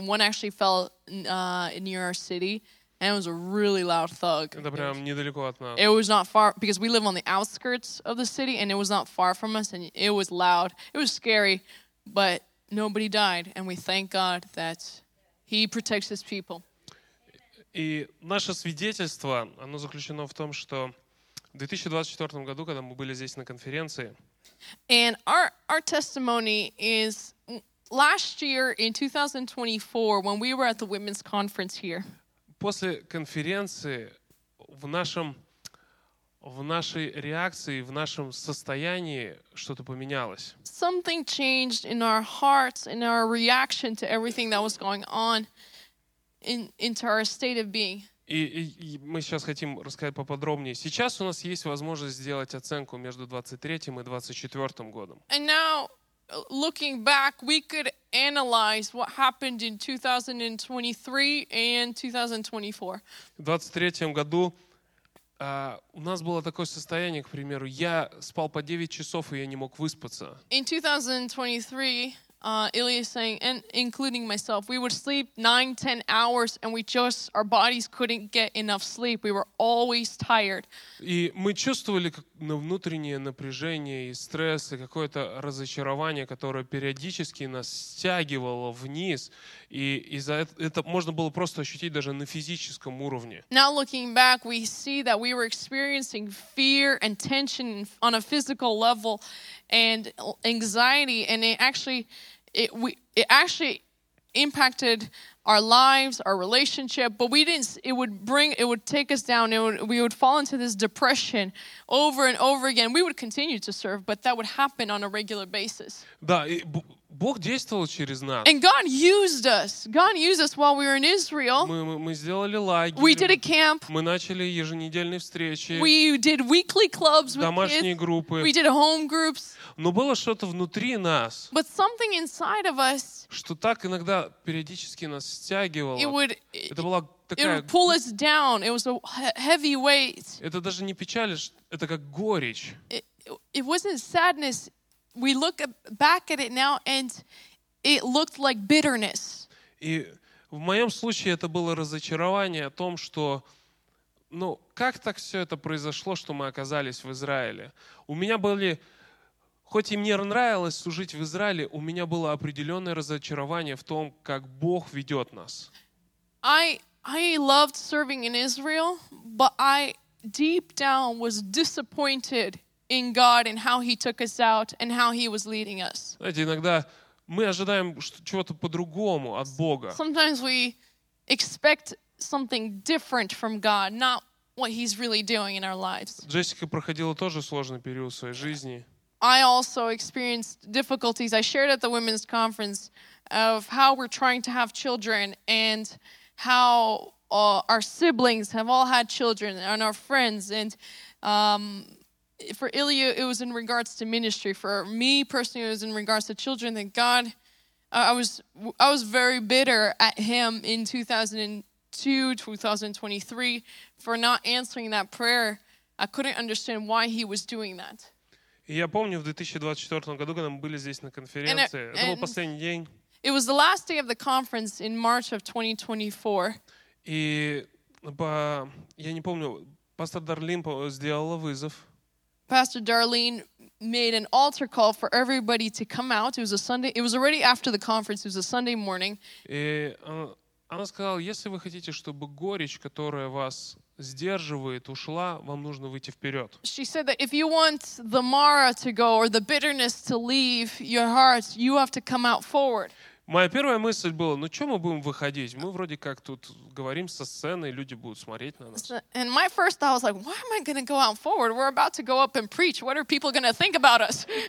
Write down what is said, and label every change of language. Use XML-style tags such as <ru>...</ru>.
<en>One actually fell near our city. And it was a really loud thug. It was not far, because we live on the outskirts of the city, and it was not far from us, and it was loud. It was scary, but nobody died, and we thank God that He protects His people.</en> <ru>И наше свидетельство, оно заключено в том, что в 2024 году, когда мы были здесь на конференции...</ru> <en>And our testimony is last year, in 2024, when we were at the women's conference here,</en> <ru>после конференции в нашей реакции, в нашем состоянии что-то поменялось.</ru> <en>Something changed in our hearts, in our reaction to everything that was going on, into our state of being.</en> <ru>И мы сейчас хотим рассказать поподробнее. Сейчас у нас есть возможность сделать оценку между 23-м и 24-м годом.</ru> <en>And now, looking back, we could analyze what happened in 2023 and 2024.</en> <ru>В 23-м году у нас было такое состояние, к примеру, я спал по 9 часов, и я не мог выспаться.</ru> <en>In 2023, Ilya is saying, and including myself, we would sleep 9-10 hours, and our bodies couldn't get enough sleep. We were always tired.</en> <ru>И мы чувствовали на внутреннее напряжение и стресс, и какое-то разочарование, которое периодически нас стягивало вниз. И из-за этого можно было просто ощутить даже на физическом уровне.</ru> <en>Now looking back, we see that we were experiencing fear and tension on a physical level and anxiety. And it actually impacted our lives, our relationship, but it would take us down. We would fall into this depression over and over again. We would continue to serve, but that would happen on a regular basis.</en> <ru>Да, и Бог действовал через нас.</ru> <en>And God used us. God used us while we were in Israel.</en> <ru>Мы сделали лагерь.</ru> <en>We did a camp.</en> <ru>Мы начали еженедельные встречи.</ru> <en>We did weekly clubs with</en> <ru>домашние</ru> <en>kids.</en> <ru>Группы.</ru> <en>We did home groups.</en> <ru>Но было что-то внутри нас.</ru> <en>But something inside of us.</en> <ru>Что так иногда периодически нас стягивало.</ru> <en>It would pull us down. It was a heavy weight.</en> <ru>Это даже не печаль, это как горечь.</ru> <en>It wasn't sadness. We look back at it now, and it looked like bitterness.</en> <ru>И в моем случае это было разочарование о том, что, ну, как так все это произошло, что мы оказались в Израиле. У меня были, хоть и мне нравилось служить в Израиле, у меня было определенное разочарование в том, как Бог ведет нас.</ru> <en>I loved serving in Israel, but I deep down was disappointed in God and how He took us out and how He was leading us.</en> <ru>Знаете, иногда мы ожидаем чего-то по-другому от Бога.</ru> <en>Sometimes we expect something different from God, not what He's really doing in our lives.</en> <ru>Джессика проходила тоже сложный период в своей жизни.</ru> <en>I also experienced difficulties. I shared at the women's conference of how we're trying to have children and how our siblings have all had children and our friends and for Ilya, it was in regards to ministry. For me personally, it was in regards to children. That God, I was very bitter at him in 2000 and 2023 for not answering that prayer. I couldn't understand why he was doing that.</en> <ru>Я помню, в 2024 году, когда мы были здесь на конференции, это был последний день.</ru> <en>It was the last day of the conference in March of 2024.</en> <ru>И я не помню, пастор Дарлин сделала вызов.</ru> <en>Pastor Darlene made an altar call for everybody to come out. It was a Sunday. It was already after the conference. It was a Sunday morning.</en> <ru>И она сказала, если вы хотите, чтобы горечь, которая вас сдерживает, ушла, вам нужно выйти вперед.</ru> <en>She said that if you want the Mara to go or the bitterness to leave your heart, you have to come out forward.</en> <ru>Моя первая мысль была, ну что мы будем выходить? Мы вроде как тут говорим со сцены, люди будут смотреть на нас.</ru> <en>And my first thought was like, why am I going to go out forward? We're about to go up and preach. What are people going to think about us?</en>